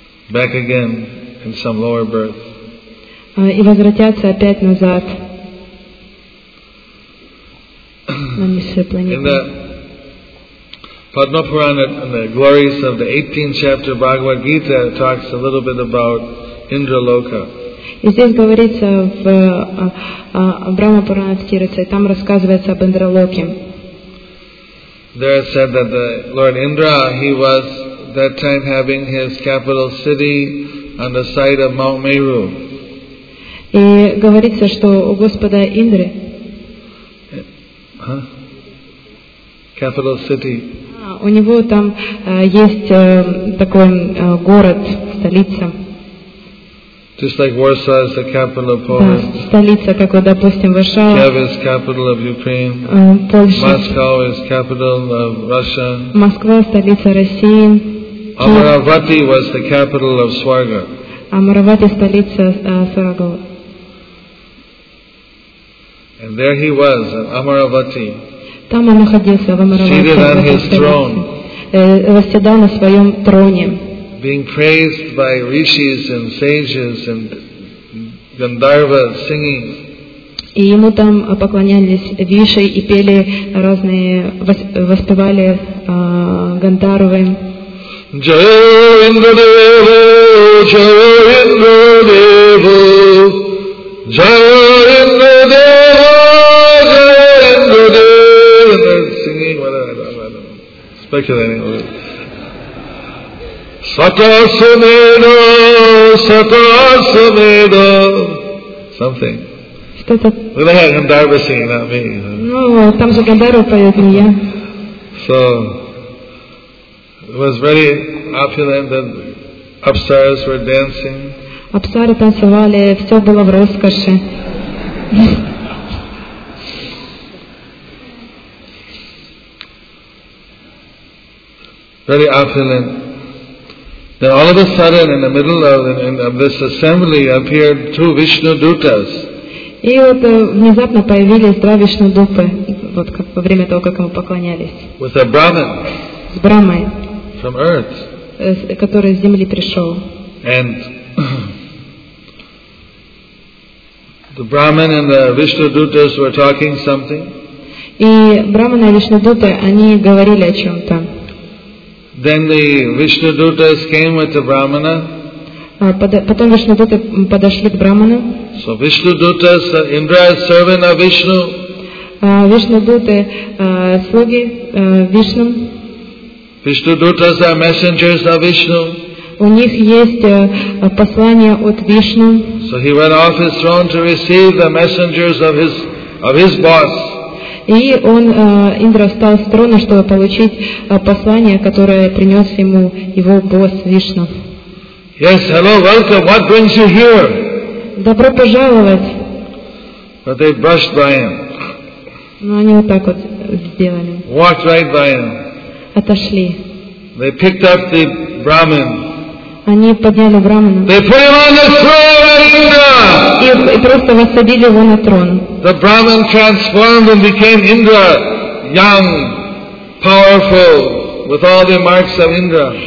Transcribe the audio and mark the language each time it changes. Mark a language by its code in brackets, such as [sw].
[en] Back again in some lower birth. [ru] И возвратятся опять назад. [en] In the Padma Purana, in the glories of the 18th chapter of Bhagavad Gita, talks a little bit about Indra Loka. [ru] И здесь говорится в Брахма Пуранатхирате, там рассказывается об Индралоке. [en] There it said that the Lord Indra, he was that time having his capital city on the side of Mount Meru. [ru] И говорится, что у Господа Индры. [en] Capital city. [ru] У него там есть такой город, столица. [en] Just like Warsaw is the capital of Poland. [ru] Да, столица, как вот, допустим, Варшава. [en] Kiev is capital of Ukraine. [ru] Польша. [en] Moscow is capital of Russia. [ru] Москва столица России. [en] Amaravati was the capital of Swarga. [ru] Amaravati столица Сварга. [en] And there he was, Amaravati. [ru] Там он находился в Амаравати. [en] Seated on his throne. [ru] Восседал на своем троне. [en] Being praised by rishis and sages and Gandharvas singing. [ru] И ему там поклонялись риши и пели разные, воспевали Гандхарвы. [sa] Jaya Indra Deva, Jaya Indra Deva, Jaya Indra Deva, Jaya Indra Deva. [en] And they're singing, I don't know. Speculating a little. [sa] Satasameda, Satasameda, something. [en] Well, they had Gandharva singing, not me. [ru] No, там же Гандхарва поет, не я. [en] So, it was very opulent, and apsaras were dancing. [ru] Апсары танцевали, все было в роскоши. [en] Very opulent. Then all of a sudden, in the middle of this assembly, appeared two Vishnu Dutas. [ru] И вот внезапно появились два Вишну Дупы, вот как во время того, как ему поклонялись. [en] With a Brahman. [ru] С Брахмой. [en] From Earth. [ru] Который с Земли пришел. [en] And the Brahman and the Vishnu Dutas were talking something. [ru] И Брахман и Вишну Дуты, они говорили о чем-то. [en] Then the Vishnu Dutas came with the Brahmana. [ru] Потом Вишну Дуты подошли к Брахману. [en] So Vishnu Dutas, Indra is servant of Vishnu. [ru] Вишну Дуты слуги Вишну. [en] Vishnu Dutas are messengers of Vishnu. [ru] У них есть послание от Вишну. [en] So he went off his throne to receive the messengers of his boss. [ru] И он, Индра, встал с трона, чтобы получить послание, которое принес ему его босс Вишну. [en] Yes, hello, welcome. What brings you here? [ru] Добро пожаловать. [en] But they brushed by him. [ru] Но они вот так вот сделали. [en] Walked right by him. [ru] Отошли. [en] They picked up the Brahmin. [ru] Они подняли Брахмана. [en] They put him on the throne, Indra. [ru] И просто воссадили его на трон. [en] The Brahmin transformed and became Indra, young, powerful, with all the marks of Indra.